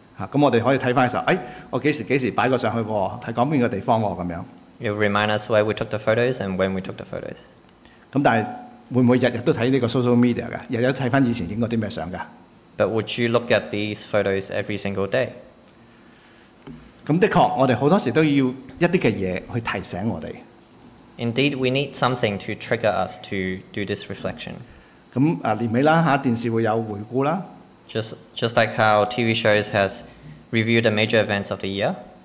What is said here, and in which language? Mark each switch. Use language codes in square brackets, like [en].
[yue] 嚇，咁我哋可以睇翻嘅時候，我幾時擺過上去喎？係講邊個地方喎？咁樣。 [en] It will remind us where we took the photos and when we took the photos。 [yue] 咁但係會唔會日日都睇呢個 social media 嘅？日日睇翻以前影過啲咩相㗎 [en] ？But would you look at these photos every single day？ [yue] 咁的確，我哋好多時都要一啲嘅嘢去提醒我哋。 [en] Indeed, we need something to trigger us to do this reflection. [yue] 咁啊，年尾啦嚇，電視會有回顧啦。 [en] Just like how TV shows has reviewed the major events of the year.